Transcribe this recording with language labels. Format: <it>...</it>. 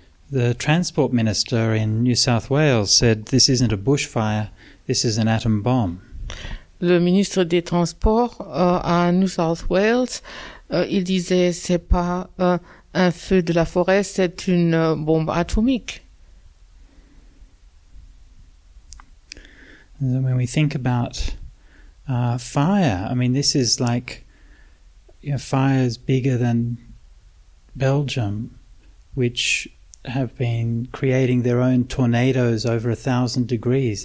<en>The transport minister in New South Wales said, "This isn't a bushfire, this is an atom bomb."</en> <fr>Le ministre des Transports à New South Wales, il disait, c'est pas un feu de la forêt, c'est une bombe atomique.</fr> <en>And then when we think about fire, I mean, this is like, you know, fire is bigger than Belgium, which have been creating their own tornadoes over 1,000 degrees.</en>